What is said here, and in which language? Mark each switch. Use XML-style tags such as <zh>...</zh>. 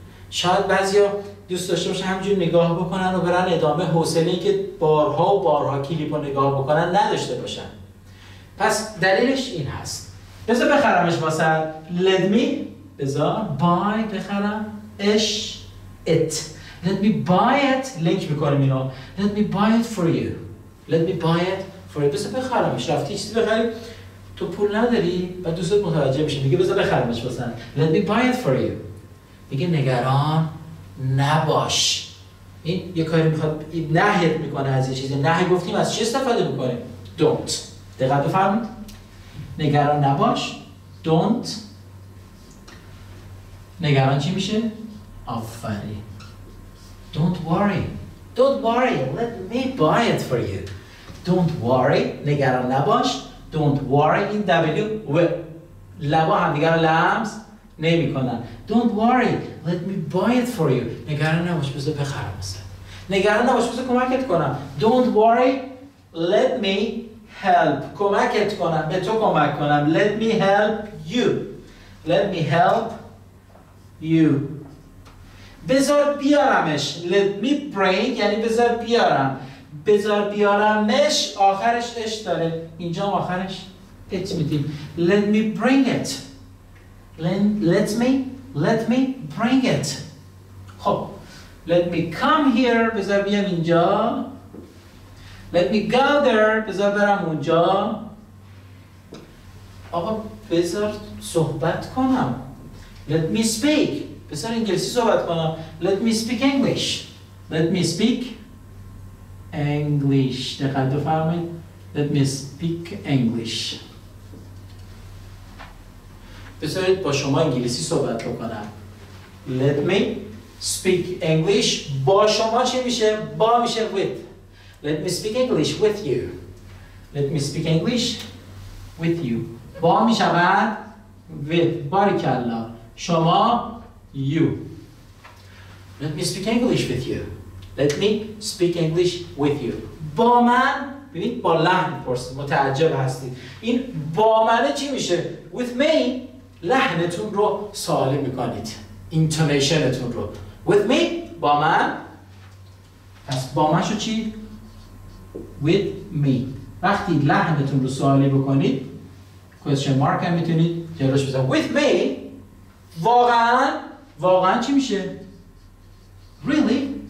<fa>شاید بعضیا دوست داشته باشه همینجور نگاه بکنن و برن ادامه، حوصله این که بارها و بارها کلیپ رو نگاه بکنن نداشته باشن. پس دلیلش این هست، بذار بخرمش واسه</fa> <en>let me.</en> <fa>بذار buy بخرم اش it.</fa> <en>let me buy it.</en> <fa>لینک میکنم اینو،</fa> <en>let me buy it for you. let me buy it for you.</en> <fa>بذار بخرمش. رفتی چیزی بخری تو پول نداری و دوستت متوجه میشه، میگه بذار بخرمش واسه،</fa> <en>let me buy it for you.</en> <fa>میگه نگران نباش. این یه کاری میخواد نهیت میکنه از یه چیزی. نهی گفتیم از چی استفاده میکنه؟ don't. دقت بفرمایید، نگران نباش. don't نگران چی میشه؟ آفرین.</fa> <en>don't worry. don't worry, let me buy it for you. don't worry</en> <fa>نگران نباش. don't worry این W و لبا هم دیگر لمس نمی کنن.</fa> <en>don't worry, let me buy it for you.</en> <fa>نگران نباش، بذار بخرم مثلا. نگران نباش، بذار کمکت کنم.</fa> <en>don't worry, let me help.</en> <fa>کمکت کنم، به تو کمک کنم.</fa> <en>let me help you. let me help you.</en> <fa>بذار بیارمش،</fa> <en>let me bring</en> <fa>یعنی بذار بیارم. بذار بیارمش آخرش اش داره، اینجا آخرش ات میدیم.</fa> <en>let me bring it. Let me bring it. خب let me come here</en> <fa>بذار بیام اینجا.</fa> <en>let me go there</en> <fa>بذار برم اونجا. آقا بذار صحبت کنم.</fa> <en>let me speak</en> <fa>بذار انگلیسی صحبت کنم.</fa> <en>let me speak English. let me speak English.</en> <fa>دقت بفرمایید،</fa> <en>let me speak English.</en> <fa>بذارید با شما انگلیسی صحبت بکنم.</fa> <en>let me speak English.</en> <fa>با شما چی میشه؟ با میشه with.</fa> <en>let me speak English with you. let me speak English with you.</en> <fa>با میشه بعد with. باریکالله شما you.</fa> <en>Let me speak English with you. Let me speak English with you.</en> <fa>با من ببینید با لحن پرسید متعجب هستید این با من چی میشه with me لحنتون رو سالم میکنید intonationتون رو with me با من پس با من شو چی with me وقتی لحنتون رو سالم بکنید question mark هم میتونید جلوش بزنید with me واقعا چی میشه really</fa>